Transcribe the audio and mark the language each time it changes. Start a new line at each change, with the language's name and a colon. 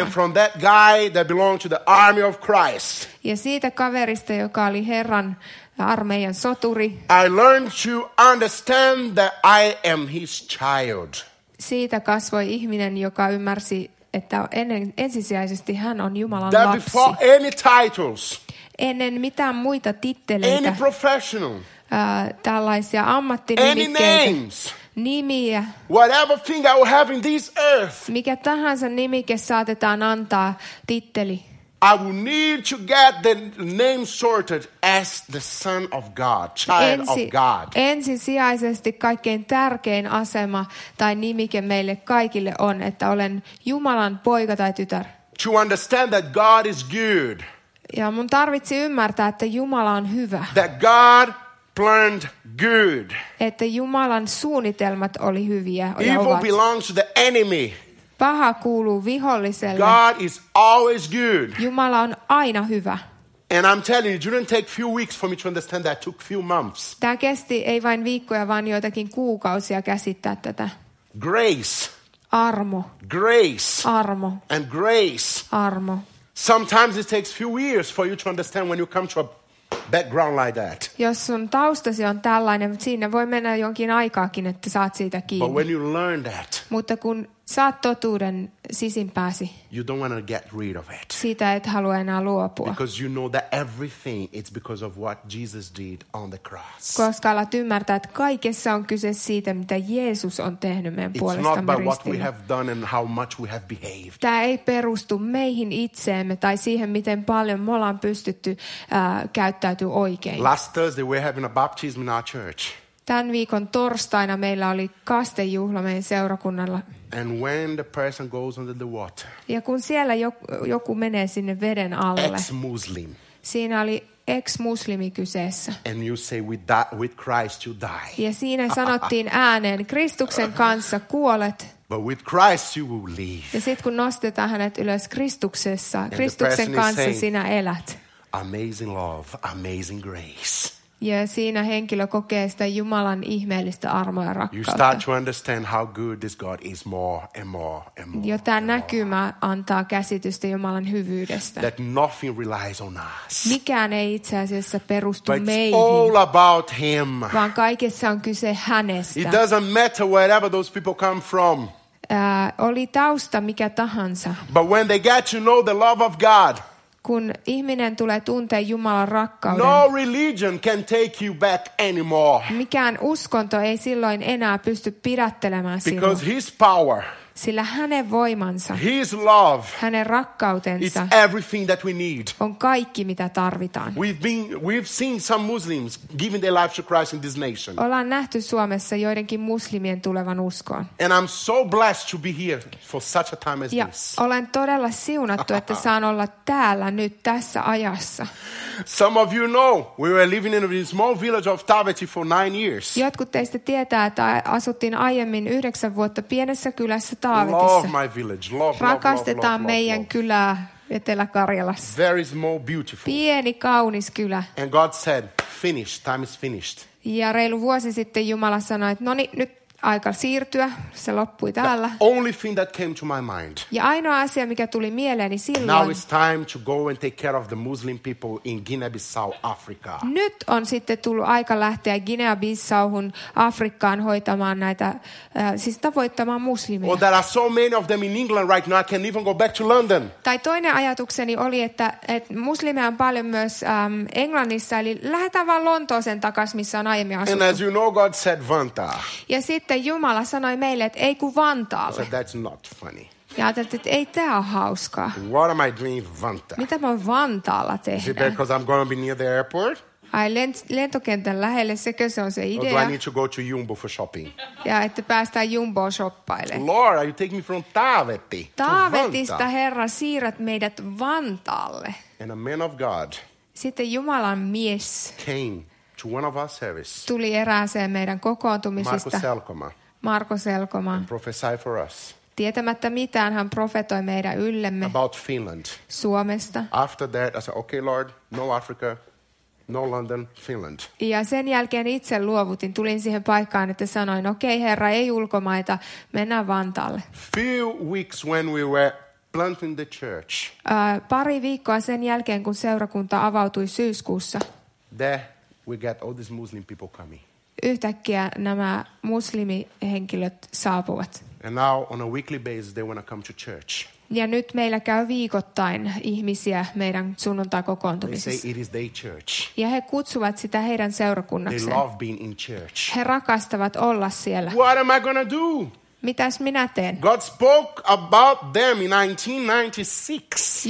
English: And from that guy that belonged to the army of Christ.
Finnish: Ja siitä kaverista, joka oli Herran armeijan soturi.
English: I learned to understand that I am his child.
Finnish: Siitä kasvoi ihminen, joka ymmärsi, että ensisijaisesti hän on Jumalan
English: that Before any titles.
Finnish: Ennen mitään muita titteleitä.
English: Any professional.
Finnish: Tällaisia ammattinimikkeitä.
English: Any names.
Finnish: Nimiä.
English: Whatever thing I will have in this earth.
Finnish: Mikä tahansa nimike saatetaan antaa titteli.
English: I will need to get the name sorted as the son of God, child of God.
Finnish: Ensisijaisesti kaikkein tärkein asema tai nimike meille kaikille on, että olen Jumalan poika tai tytär.
English: To understand that God is good.
Finnish: Ja mun tarvitsi ymmärtää, että Jumala on hyvä.
English: That God planned good.
Finnish: Että Jumalan suunnitelmat oli hyviä.
English: Evil belongs to the enemy.
Finnish: Paha kuuluu viholliselle.
English: God is always good.
Finnish: Jumala on aina hyvä.
English: And I'm telling you, it didn't take few weeks for me to understand that. It took few months.
Finnish: Tämä kesti ei vain viikkoja, vaan joitakin kuukausia käsittää tätä.
English: Grace.
Finnish: Armo.
English: Grace.
Finnish: Armo.
English: And grace.
Finnish: Armo.
English: Sometimes it takes few years for you to understand when you come to a background like that.
Finnish: Jos sun taustasi on tällainen, siinä voi mennä jonkin aikaakin, että saat siitä kiinni.
English: But when you learn that,
Finnish: mutta kun saat totuuden sisimpääsi,
English: you don't want to get rid of it.
Finnish: Siitä et halua enää luopua.
English: Because you know that everything it's because of what Jesus did on the cross.
Finnish: Koska alat ymmärtää, että kaikessa on kyse siitä, mitä Jeesus on tehnyt meidän puolestamme ristillä.
English: It's not about what we have done and how much we have behaved.
Finnish: Tämä ei perustu meihin itseemme tai siihen, miten paljon me ollaan pystytty käyttäytyä oikein.
English: Last Thursday we were having a baptism in our church.
Finnish: Tämän viikon torstaina meillä oli kastejuhla meidän seurakunnalla.
English: And when the person goes under the water,
Finnish: ja kun siellä joku menee sinne veden alle,
English: ex-muslim.
Finnish: Siinä oli ex-muslimi kyseessä.
English: And you say with Christ you die.
Finnish: Ja siinä sanottiin ääneen, Kristuksen kanssa kuolet.
English: But with Christ you will live.
Finnish: Ja sitten kun nostetaan hänet ylös Kristuksessa,
English: and
Finnish: Kristuksen kanssa
English: saying,
Finnish: sinä elät.
English: Amazing love, amazing grace.
Finnish: Ja siinä henkilö kokee sitä Jumalan ihmeellistä armoa ja rakkautta.
English: You start to understand how good this God is more and more and more.
Finnish: Jo tämä näkymä antaa käsitystä Jumalan hyvyydestä.
English: That nothing relies on us.
Finnish: Mikään ei itse asiassa perustu
English: but
Finnish: meihin.
English: It's all about him.
Finnish: Vaan kaikessa on kyse hänestä.
English: It doesn't matter wherever those people come from.
Finnish: Oli tausta mikä tahansa.
English: But when they get to know the love of God.
Finnish: Kun ihminen tulee tuntea Jumalan rakkauden.
English: No religion can take you back anymore.
Finnish: Mikään uskonto ei silloin enää pysty pidättelemään sinua.
English: Because his power.
Finnish: Sillä hänen voimansa.
English: His love.
Finnish: Hänen rakkautensa.
English: It's everything that we need.
Finnish: On kaikki mitä tarvitaan.
English: We've seen some Muslims giving their lives to Christ in this nation.
Finnish: Ollaan nähty Suomessa joidenkin muslimien tulevan uskoon.
English: And I'm so blessed to be here for such a time as
Finnish: ja
English: this.
Finnish: Olen todella siunattu, että saan olla täällä nyt tässä ajassa.
English: Some of you know we were living in a small village of Taveti for 9 years.
Finnish: Jotkut teistä tietää, että asuttiin aiemmin 9 vuotta pienessä kylässä.
English: Love my village. Love,
Finnish: rakastetaan
English: love,
Finnish: meidän
English: love.
Finnish: Kylää Etelä-Karjalassa.
English: Very small, beautiful.
Finnish: Pieni, kaunis kylä.
English: And God said, finished. Time is finished.
Finnish: Ja reilu vuosi sitten Jumala sanoi, että no niin, nyt aika siirtyä, se loppui täällä.
English: The only thing that came to my mind.
Finnish: Ja ainoa asia, mikä tuli mieleeni silloin.
English: Now it's time to go and take care of the Muslim people in Guinea-Bissau, Africa.
Finnish: Nyt on sitten tullut aika lähteä Guinea-Bissauhun, Afrikkaan hoitamaan näitä, siis tavoittamaan muslimeja.
English: Oh, there are so many of them in England right now. I can even go back to London.
Finnish: Tai toinen ajatukseni oli, että muslimeja on paljon myös Englannissa, eli lähdetään vaan Lontooseen takaisin, missä on aiemmin asuttu.
English: And as you know, God said Vantaa.
Finnish: Ja sitten Jumala sanoi meille, että ei kun Vantaalle.
English: So that's not funny.
Finnish: Ja ajattelin, että ei tämä ole hauskaa.
English: What am I doing Vanta?
Finnish: Mitä mä oon Vantaalla tehdä?
English: Is it because I'm going to be near the airport?
Finnish: Ai lentokentän lähelle, sekö se on se idea?
English: Or do I need to go to Jumbo for shopping?
Finnish: Ja että päästään Jumboon shoppailemaan.
English: Lord, are you taking me from Taavetti to
Finnish: Taavetista, Herra, siirrät meidät Vantaalle.
English: And a man of God.
Finnish: Sitten Jumalan mies.
English: Came. To one of our services.
Finnish: Tuli erääseen meidän kokoontumisista.
English: Marko Selkoma.
Finnish: Marko Selkoma.
English: And prophesy for us.
Finnish: Tietämättä mitään, hän profetoi meidän yllemme.
English: About Finland.
Finnish: Suomesta.
English: After that, I said, okay, Lord, no Africa, no London, Finland.
Finnish: Ja sen jälkeen itse luovutin, tulin siihen paikkaan, että sanoin, okay, Herra, ei ulkomaita, mennään Vantaalle.
English: Few weeks when we were planting the church.
Finnish: Pari viikkoa sen jälkeen, kun seurakunta avautui syyskuussa.
English: We get all these Muslim people coming.
Finnish: Yhtäkkiä nämä muslimihenkilöt saapuvat.
English: And now on a weekly basis they want to come to church.
Finnish: Ja nyt meillä käy viikoittain ihmisiä meidän sunnuntaikokoontumisissa.
English: They say it is their church.
Finnish: Ja he kutsuvat sitä heidän seurakunnakseen.
English: They love being in church.
Finnish: He rakastavat olla siellä.
English: What am I going to do?
Finnish: Mitäs minä teen?
English: God spoke about them in 1996.